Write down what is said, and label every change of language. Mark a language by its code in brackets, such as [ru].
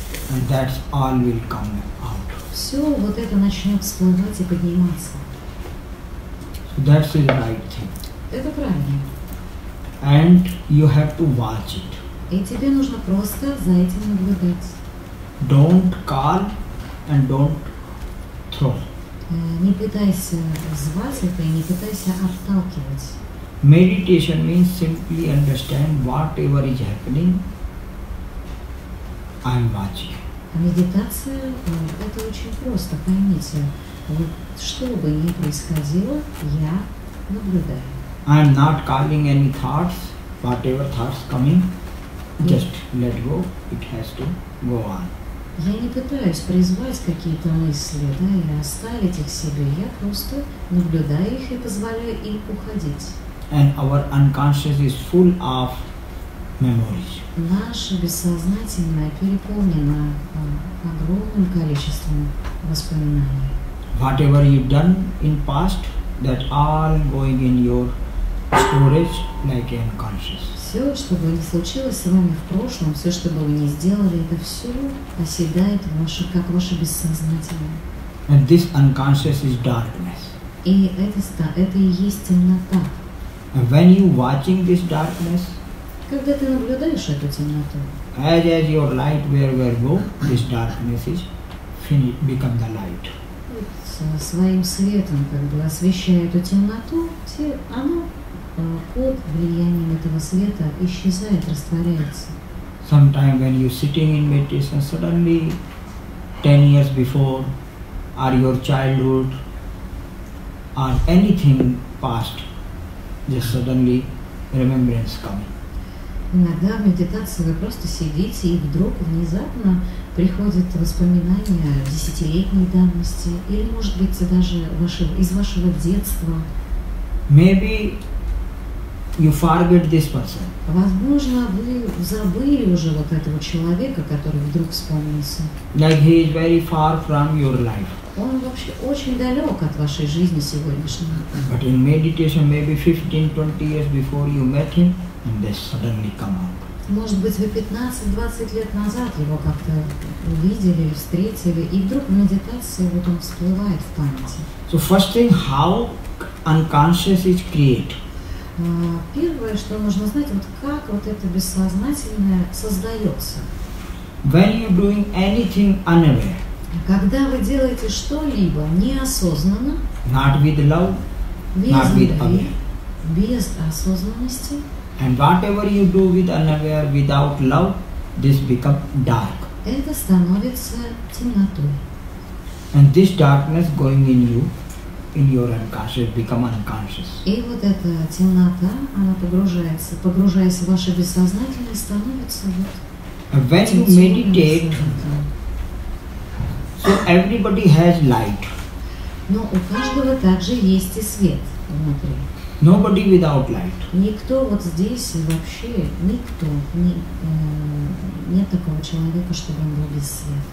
[en] And that all will come out. [ru] Все вот это начнет всплывать и подниматься. [en] That's the right thing. [ru] Это правильно. [en] And you have to watch it. [ru] И тебе нужно просто за этим наблюдать. [en] Don't call and don't throw. [ru] Не пытайся звать это и не пытайся отталкивать. [en] Meditation means simply understand whatever is happening. I'm watching. [ru] Медитация – это очень просто, поймите. Вот что бы ни происходило, я наблюдаю. [en] I'm not calling any thoughts, whatever thoughts coming, just let go, it has to go on. [ru] Я не пытаюсь призвать какие-то мысли, да, или оставить их себе, я просто наблюдаю их и позволяю им уходить. [en] And our unconscious is full of memories. [ru] Наше бессознательное переполнено огромным количеством воспоминаний. [en] Whatever you've done in past, that all going in your storage like unconscious. [ru] Все, что бы ни случилось с вами в прошлом, все, что бы вы ни сделали, это все оседает в ваше, как ваше бессознательное. [en] And this unconscious is darkness. [ru] И это и есть темнота. [en] And when you watching this darkness, [ru] когда ты наблюдаешь эту темноту, [en] as your light wherever go, this darkness is finish, become the light. [ru] Со своим светом, как бы освещая эту темноту, оно под влиянием этого света исчезает, растворяется. [en] Sometimes when you sitting in meditation, suddenly 10 years before, or your childhood, or anything past, just suddenly remembrance coming. [ru] Иногда в медитации вы просто сидите, и вдруг внезапно приходят воспоминания десятилетней давности, или, может быть, даже из вашего детства. [en] Maybe you forget this person. [ru] Возможно, вы забыли уже вот этого человека, который вдруг вспомнился. [en] Like he is very far from your life. [ru] Он вообще очень далек от вашей жизни сегодняшней. [en] But in meditation, maybe 15-20 years before you met him, and they suddenly come out. [ru] Может быть, вы 15-20 лет назад его как-то увидели, встретили, и вдруг в медитации вот он всплывает в памяти. [en] So first thing, how unconscious is created? [ru] Первое, что нужно знать, вот как вот это бессознательное создается. [en] When you're doing anything unaware. [ru] Когда вы делаете что-либо неосознанно. [en] Not with love, [ru] без [en] not [ru] любви, [en] with aware. [ru] Без осознанности. [en] And whatever you do with unaware, without love, this become dark. [ru] Это становится темнотой. [en] And this darkness going in you, in your unconscious, become unconscious. [ru] И вот эта темнота, она погружается, погружаясь в ваше бессознательное, становится вот [en] When you meditate, so everybody has light. [ru] Но у каждого также есть и свет внутри. [en] Nobody without light. [ru] Никто вот здесь вообще никто не нет такого человека, чтобы он был без света.